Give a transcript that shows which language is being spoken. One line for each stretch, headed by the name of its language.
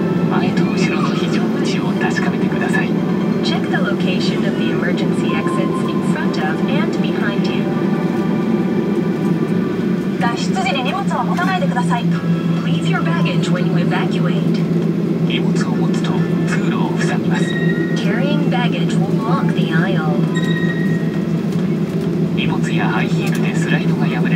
Japanese: 前と後ろの非常口を確かめてください。
English: Check the location of the emergency exits in front of and behind you.
Japanese: 脱出時に荷物は持たないでください。
English: Leave your baggage when you evacuate.
Japanese: 荷物を持つと通路を塞ぎます。
English: Carrying baggage will block the aisle.
Japanese: 荷物やハイヒールでスライドが